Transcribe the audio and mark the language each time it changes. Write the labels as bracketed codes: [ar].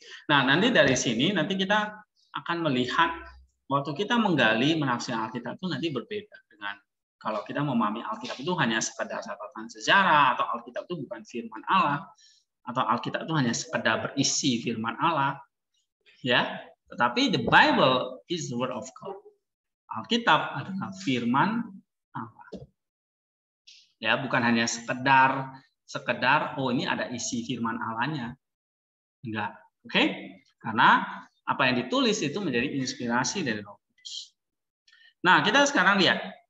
[id] Nah, nanti dari sini nanti kita akan melihat waktu kita menggali menafsir Alkitab itu nanti berbeda dengan kalau kita memahami Alkitab itu hanya sekedar catatan sejarah atau Alkitab itu bukan firman Allah atau Alkitab itu hanya sekedar berisi firman Allah. Ya, tetapi [en] the Bible is the word of God. [id] Alkitab adalah firman Allah. Ya, bukan hanya sekedar oh ini ada isi firman Allah-nya. Enggak. Oke? Okay? Karena apa yang ditulis itu menjadi inspirasi dari Roh Kudus. Nah, kita sekarang lihat.